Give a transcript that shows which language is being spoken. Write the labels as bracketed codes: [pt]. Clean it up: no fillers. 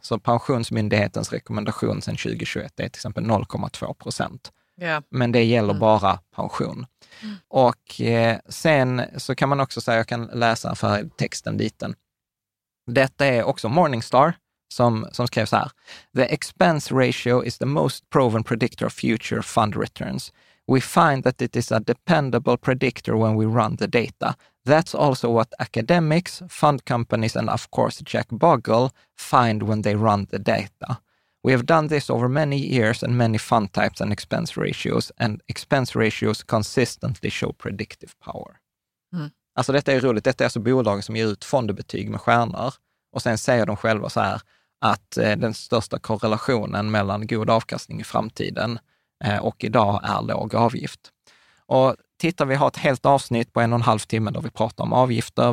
[sv] Så pensionsmyndighetens rekommendation sedan 2021 är till exempel 0,2%. [en] Yeah. [sv] Men det gäller bara pension. Mm. Och sen så kan man också säga, jag kan läsa för texten liten. Detta är också Morningstar som skrev så här. [en] The expense ratio is the most proven predictor of future fund returns. We find that it is a dependable predictor when we run the data. That's also what academics, fund companies and of course Jack Bogle find when they run the data. We have done this over many years and many fund types and expense ratios consistently show predictive power. Mm. [sv] Alltså detta är roligt. Detta är alltså bolagen som ger ut fondbetyg med stjärnor och sen säger de själva så här att den största korrelationen mellan god avkastning i framtiden och idag är låg avgift. Och tittar, vi har ett helt avsnitt på 1,5 timme där vi pratar om avgifter.